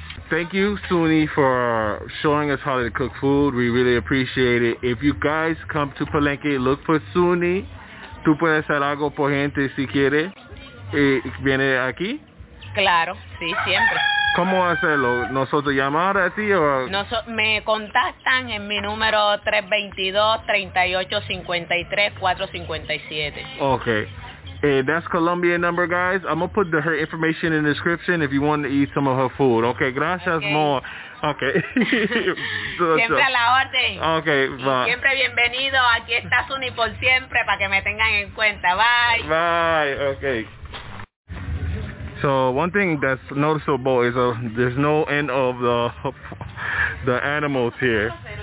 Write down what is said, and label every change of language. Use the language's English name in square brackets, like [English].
[English] Thank you, Suni, for showing us how to cook food. We really appreciate it. If you guys come to Palenque, look for Suni. [Spanish] Tú puedes hacer algo por gente si quiere. ¿Viene aquí? Claro, sí, siempre. ¿Cómo hacerlo? ¿Nosotros llamar a ti o...? Me contactan en mi número 322-3853-457. [English] Okay. That's Colombian number, guys. I'm going to put her information in the description if you want to eat some of her food. Okay, gracias, okay. More. Okay. [Spanish] Siempre a la orden. [English] Okay, bye. [Spanish] Siempre bienvenido. Aquí está Suni por siempre para que me tengan en cuenta. [English] Bye. Bye. Okay. So one thing that's noticeable is there's no end of the animals here.